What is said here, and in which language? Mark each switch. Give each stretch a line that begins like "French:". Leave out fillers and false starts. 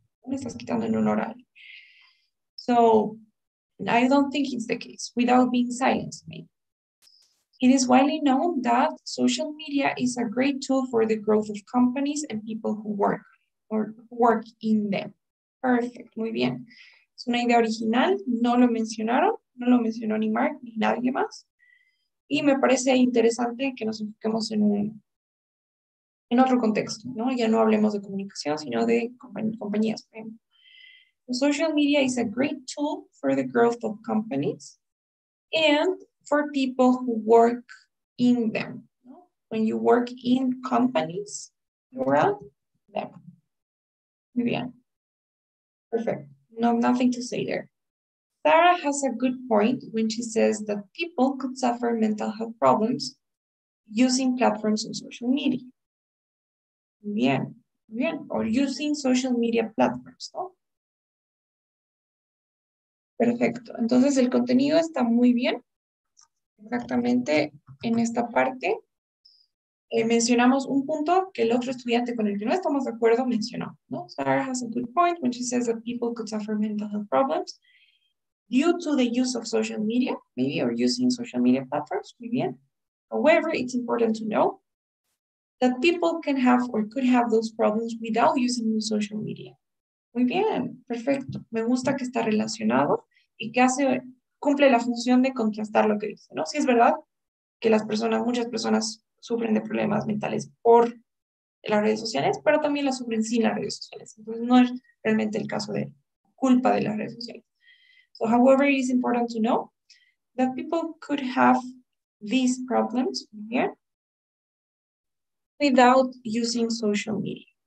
Spanish: Me estás quitando en un horario.
English: So, I don't think it's the case without being silenced, maybe. It is widely known that social media is a great tool for the growth of companies and people who work or work in them. Perfect,
Spanish: muy bien. Es una idea original, no lo mencionaron, no lo mencionó ni Mark ni nadie más. Y me parece interesante que nos enfoquemos en otro contexto, ¿no? Ya no hablemos de comunicación, sino de compañías.
English: Social media is a great tool for the growth of companies and for people who work in them. ¿No? When you work in companies, you're at them.
Spanish: Muy bien.
English: Perfect. No, nothing to say there. Sarah has a good point when she says that people could suffer mental health problems using platforms on social media. Bien, bien. Or using social media platforms, ¿no?
Spanish: Perfecto. Entonces, el contenido está muy bien. Exactamente en esta parte. Mencionamos un punto que el otro estudiante con el que no estamos de acuerdo mencionó, ¿no?
English: Sarah has a good point when she says that people could suffer mental health problems due to the use of social media, maybe, or using social media platforms,
Spanish: muy bien.
English: However, it's important to know that people can have or could have those problems without using social media.
Spanish: Muy bien, perfecto. Me gusta que está relacionado y que hace, cumple la función de contrastar lo que dice, ¿no? Si es verdad que las personas, muchas personas sufren de problemas mentales por las redes sociales, pero también las sufren sin las redes sociales. Entonces, no es realmente el caso de culpa de las redes sociales.
English: So, however, it is important to know that people could have these problems here without using social media.